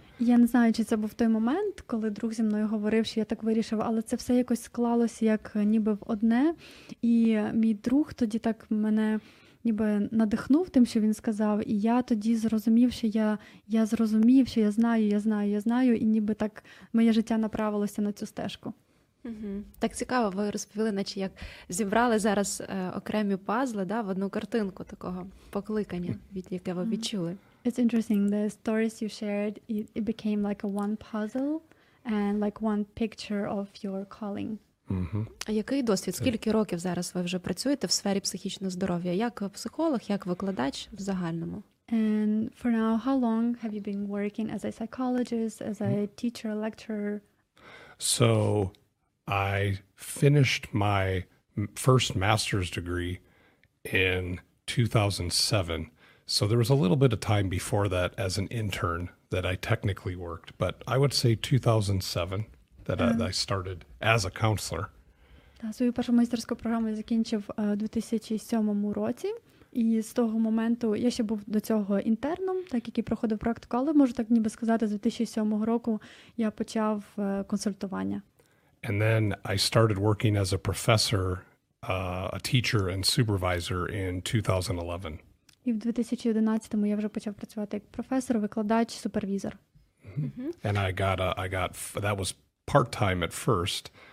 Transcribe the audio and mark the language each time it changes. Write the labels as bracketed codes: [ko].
[uk] Я не знаю, чи це був той момент, коли друг зі мною говорив, що я так вирішив, але це все якось склалося, як ніби в одне. І мій друг тоді так мене ніби надихнув тим, що він сказав, і я тоді зрозумів, що я зрозумів, що я знаю, і ніби так моє життя направилося на цю стежку. Угу. Так цікаво, ви розповіли, наче як зібрали зараз окремі пазли, да, в одну картинку такого покликання, яке ви відчули. [en] It's interesting, the stories you shared, it became like a one puzzle and like one picture of your calling. [uk] А який досвід? Скільки років зараз ви вже працюєте в сфері психічного здоров'я? Як психолог, як викладач в загальному? [en] And for now, how long have you been working as a psychologist, as a teacher, lecturer? So, I finished my first master's degree in 2007. So there was a little bit of time before that as an intern that I technically worked, but I would say 2007 that I started as a counselor. [uk] Так, свою першу майстерську програму я закінчив у 2007 році, і з того моменту я ще був до цього інтерном, так як і проходив практику, але можу так ніби сказати, з 2007 року я почав консультування. [en] And then I started working as a professor, a teacher and supervisor in 2011. [uk] І в 2011-му я вже почав працювати як професор, викладач, супервізор. [en] And I got that was part-time at first.